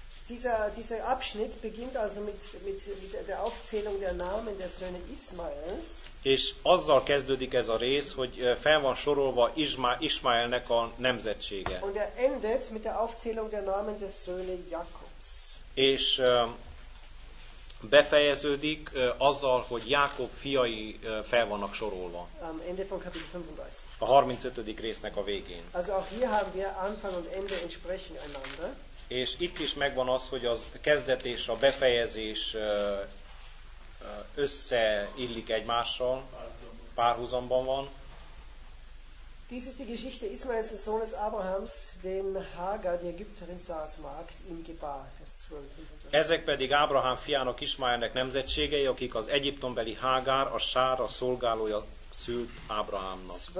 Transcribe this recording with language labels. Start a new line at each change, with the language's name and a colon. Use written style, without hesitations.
German: Dieser Abschnitt beginnt also mit der Aufzählung der Namen der Söhne Ismaels.
Hungarian: És azzal kezdődik ez a rész, hogy fel van sorolva Ismaelnek a nemzetsége.
German: Und er endet mit der Aufzählung der Namen der Söhne Jakobs.
Hungarian: És befejeződik azzal, hogy Jákob fiai fel vannak sorolva.
German: Ende von Kapitel 35.
Hungarian: A 35. résznek a végén.
German: Also auch hier haben wir Anfang und Ende entsprechen einander.
Hungarian: És itt is megvan az, hogy a kezdet és a befejezés összeillik egymással, párhuzamban van.
German: Dies ist die Geschichte Ismaels des Sohnes Abrahams, den Hagar, die Ägypterin Saras Magd, ihm gebar. Vers 12.
Hungarian: Ezek pedig Ábrahám fiának Ismaelnek nemzetségei, akik az egyiptombeli Hágár, a Sára szolgálója szült Ábrahámnak.